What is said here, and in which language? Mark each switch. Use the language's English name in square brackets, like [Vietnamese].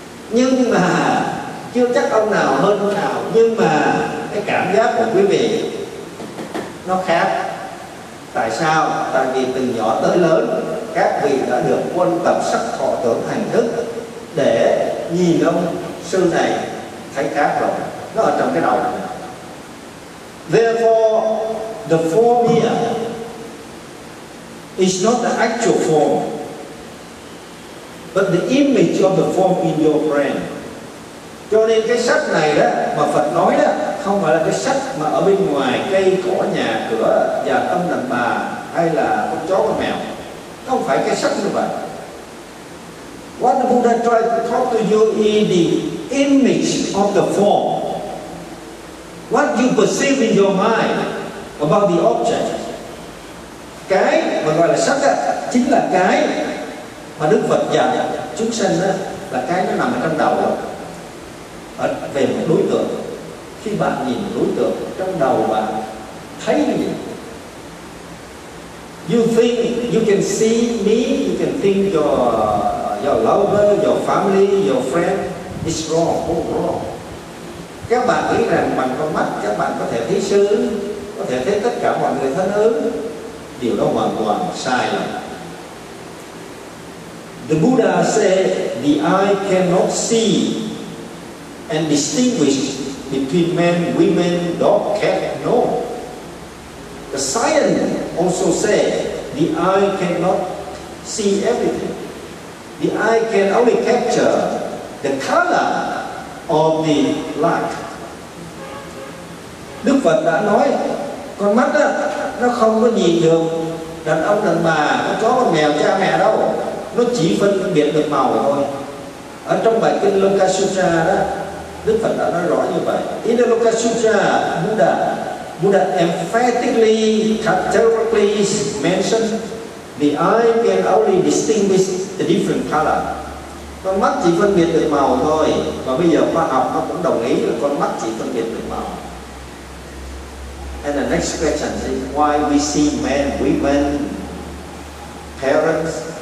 [Vietnamese] Nhưng mà chưa chắc ông nào hơn ông nào, nhưng mà cái cảm giác của quý vị nó khác. Tại sao? Tại vì từ nhỏ tới lớn, các vị đã được quân tập sắc thọ tưởng hành thức để nhìn ông sư này thấy khác rồi. Nó ở trong cái đầu. [English] Therefore, the form here is not the actual form, but the image of the form in your brain. [Vietnamese] Cho nên cái sắc này đó, mà Phật nói đó, không phải là cái sắc mà ở bên ngoài cây, cỏ, nhà, cửa, và tâm đàn bà, hay là con chó, con mèo. Không phải cái sắc như vậy. [English] What the Buddha tried to talk to you is the image of the form. What you perceive in your mind about the object. [Vietnamese] Cái mà gọi là sắc á, chính là cái mà Đức Phật dạy chúng sanh á, là cái nó nằm ở trong đầu á. Về một đối tượng, khi bạn nhìn đối tượng trong đầu bạn thấy cái gì? [English] You think, you can see me, you can think your lover, your family, your friend is wrong, oh wrong. [Vietnamese] Các bạn nghĩ rằng bằng con mắt các bạn có thể thấy sư, có thể thấy tất cả mọi người thân ứng. Điều đó hoàn toàn sai lầm. [English] The Buddha said the eye cannot see and distinguish between men, women, dog, cat, no. The science also said the eye cannot see everything. The eye can only capture the color of the light. [Vietnamese] Đức Phật đã nói con mắt đó, nó không có nhìn được đàn ông, đàn bà, con chó, con mèo, cha mẹ đâu. Nó chỉ phân biệt được màu thôi. Ở trong bài kinh Loka Sutra đó, Đức Phật đã nói rõ như vậy. [English] In the Loka Sutra, Buddha emphatically, categorically mentioned the eye can only distinguish the different color. [Vietnamese] Con mắt chỉ phân biệt được màu thôi. Và bây giờ khoa học nó cũng đồng ý là con mắt chỉ phân biệt được màu. [English] And the next question is why we see men, women, parents?